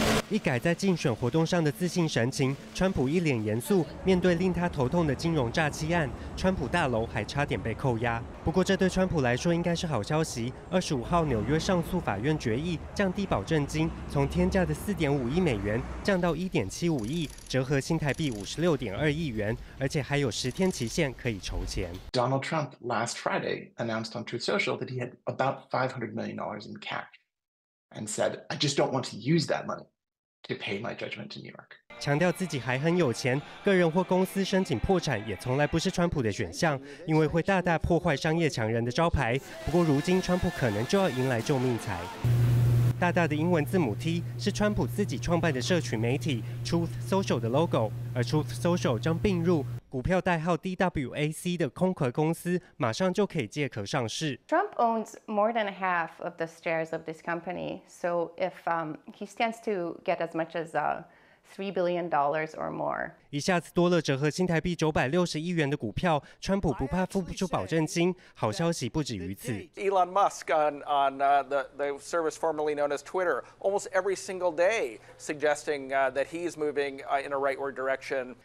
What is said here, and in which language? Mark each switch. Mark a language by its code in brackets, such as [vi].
[zh] 一改在竞选活动上的自信神情，川普一脸严肃面对令他头痛的金融诈欺案，川普大楼还差点被扣押。不过这对川普来说应该是好消息，25号纽约上诉法院决议降低保证金，从天价的4.5亿美元降到1.75亿，折合新台币56.2亿元，而且还有10天期限可以筹钱。 [en] Donald Trump last Friday announced on Truth Social that he had about $500 million in cash and said I just don't want to use that moneyTo pay my judgment to New York. [zh] 强调自己还很有钱，个人或公司申请破产也从来不是川普的选项，因为会大大破坏商业强人的招牌。不过如今川普可能就要迎来救命财。大大的英文字母 T 是川普自己创办的社群媒体 Truth Social 的 logo， 而 Truth Social 将并入股票代号 DWAC 的空壳公司，马上就可以借壳上市。 [en] Trump owns more than half of the shares of this company, so if he stands to get as much as $3 billion or more， [zh] 一下子多了折合新台币960亿元的股票，川普不怕付不出保证金。好消息不止于此。 [en] Elon Musk on the service formerly known as Twitter, almost every single day suggesting that he is moving in a rightward direction。